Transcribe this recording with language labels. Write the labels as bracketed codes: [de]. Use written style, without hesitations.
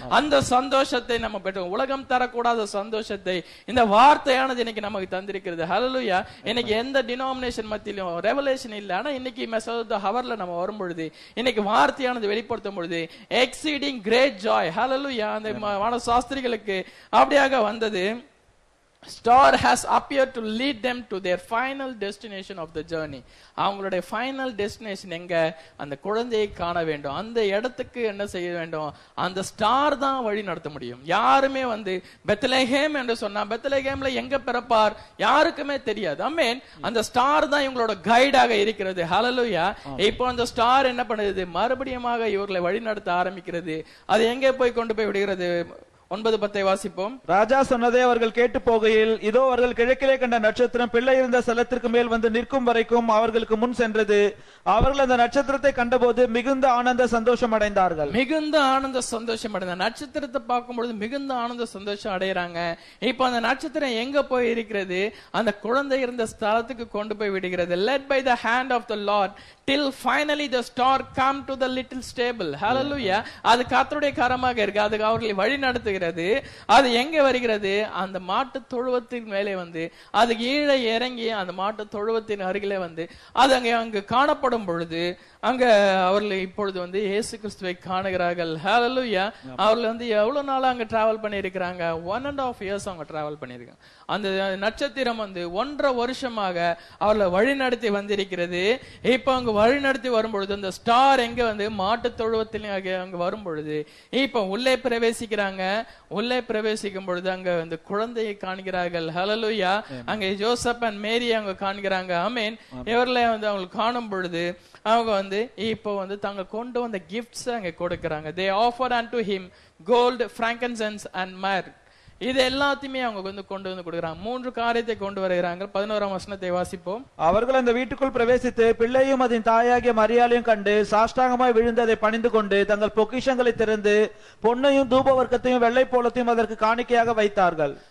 [ta] அந்த சந்தோஷத்தை நம்ம பெற்று உலகம் தரக்கூடாத சந்தோஷத்தை இந்த வார்த்தையானது இன்னைக்கு நமக்கு தந்திருக்கிறது. ஹல்லேலூயா. இன்னைக்கு எந்த டினாமினேஷன் மத்தியிலும் ரெவலேஷன் இல்லை. ஆனா இன்னைக்கு மெசேஜ் ஆஃப் தி ஹவர்ல நம்ம வரும் பொழுது இன்னைக்கு வார்த்தையானது வெளிப்படுத்தும் பொழுது [en] Exceeding great joy. [ta] ஹல்லேலூயா. அந்த வான சாஸ்திரிகளுக்கு அப்படி வந்தது. [en] Star has appeared to lead them to their final destination of the journey. [ta] அவங்களுடைய ஃபைனல் டெஸ்டினேஷன் எங்க, அந்த குழந்தையை காண வேண்டும். அந்த இடத்துக்கு என்ன செய்ய வேண்டும், அந்த ஸ்டார் தான் வழி நடத்த முடியும். யாருமே வந்து பெத்லகேம் என்று சொன்னா பெத்லகேம்ல எங்க பிறப்பார் யாருக்குமே தெரியாது. ஆமென். அந்த ஸ்டார் தான் இவங்களோட கைடாக இருக்கிறது. ஹல்லேலூயா. இப்போ அந்த ஸ்டார் என்ன பண்ணுது, மறுபடியும் இவர்களை வழி நடத்த ஆரம்பிக்கிறது. அது எங்க போய் கொண்டு போய் விடுகிறது, ஒன்பது பத்தை வாசிப்போம். ராஜா சொன்னதை அவர்கள் கேட்டு போகையில், இதோ அவர்கள் கிழக்கிலே கண்ட நட்சத்திரம் பிள்ளை இருந்த ஸ்தலத்திற்கு மேல் வந்து நிற்கும் வரைக்கும் அவர்களுக்கு முன் சென்றது. அவர்கள் அந்த நட்சத்திரத்தை கண்டபோது மிகுந்த ஆனந்த சந்தோஷம் அடைந்தார்கள். மிகுந்த ஆனந்த சந்தோஷம் அடைந்த நட்சத்திரத்தை பார்க்கும்பொழுது மிகுந்த ஆனந்த சந்தோஷம் அடைகிறாங்க. இப்ப அந்த நட்சத்திரம் எங்க போய் இருக்கிறது? அந்த குழந்தை இருந்த ஸ்தலத்துக்கு கொண்டு போய் விடுகிறது. [en] Led by the hand of the Lord till finally the star come to the little stable. [ta] Hallelujah. அது கர்த்தருடைய கரமாக இருக்கு. அது அவர்களை வழி நடத்துகிறது. அது எங்க வருகிறது? அந்த மாட்டு தொழுவத்தின் மேலே வந்து, அது கீழே இறங்கி அந்த மாட்டு தொழுவத்தின் அருகிலே வந்து அது அங்கு காணப்படும் பொழுது அங்க அவர்கள் இப்பொழுது வந்து இயேசு கிறிஸ்துவை காணுகிறார்கள். ஹல்லேலூயா. அவர்கள் வந்து எவ்வளவு நாள் அங்க டிராவல் பண்ணிருக்கிறாங்க? 1.5 இயர்ஸ் அவங்க டிராவல் பண்ணிருக்காங்க. அந்த நட்சத்திரம் வந்து 1.5 வருஷமாக அவர்களை வழி நடத்தி வந்திருக்கிறது. இப்ப அங்க வழி நடத்தி வரும்பொழுது அந்த ஸ்டார் எங்க வந்து மாட்டு தொழுவத்தில் அங்க வரும் பொழுது இப்ப உள்ளே பிரவேசிக்கிறாங்க. உள்ளே பிரவேசிக்கும் பொழுது அங்க வந்து குழந்தையை காண்கிறார்கள். ஹல்லேலூயா. அங்க ஜோசப் அண்ட் மேரி அங்க காண்கிறாங்க. ஆமென். இவர்களை வந்து அவங்களுக்கு காணும் பொழுது அவங்க வந்து இப்போ வந்து தாங்க கொண்டு வந்த கிஃப்ட்ஸ் அங்க கொடுக்கறாங்க. They offer unto him gold, frankincense and myrrh. இது எல்லாத்தையுமே அவங்க வந்து கொண்டு வந்து கொடுக்கறாங்க. 3 காரியத்தை கொண்டு வருகிறாங்க. 11 வசனத்தை வாசிப்போம். அவர்கள் அந்த வீட்டுக்குள் பிரவேசித்து பிள்ளையும் அதன் தாயாகிய மரியாளையும் கண்டு சாஷ்டாங்கமாய் விழுந்ததை பணிந்து கொண்டு தங்கள் பொக்கிஷங்களை திறந்து பொன்னையும் தூப வர்க்கத்தையும் வெள்ளை போலத்தையும் அதற்கு காணிக்கையாக வைத்தார்கள்.